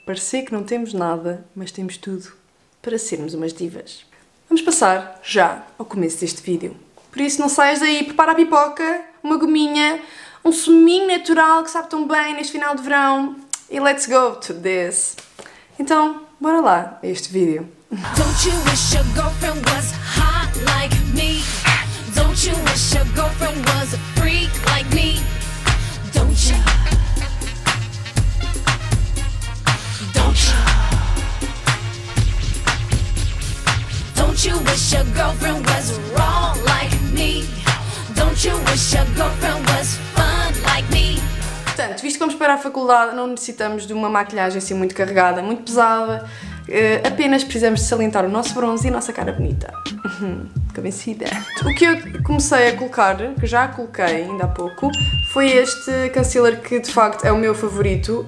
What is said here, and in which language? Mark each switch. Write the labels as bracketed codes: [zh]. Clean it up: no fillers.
[pt] Parecer que não temos nada, mas temos tudo para sermos umas divas. Vamos passar já ao começo deste vídeo. Por isso, não saias daí, prepara a pipoca, uma gominha, um suminho natural que sabe tão bem neste final de verão. E [en] let's go to this! [pt] Então, bora lá a este vídeo. [en] Don't you wish your girlfriend was hot like me? Don't you wish your girlfriend was a freak like me? Don't you? Don't you? Don't you wish your girlfriend was raw like me? Don't you wish your girlfriend was fun like me? [pt] Portanto, visto que vamos para a faculdade, não necessitamos de uma maquilhagem assim muito carregada, muito pesada. Apenas precisamos de salientar o nosso bronze e a nossa cara bonita. Convencida. O que eu comecei a colocar, que já coloquei ainda há pouco, foi este concealer que de facto é o meu favorito.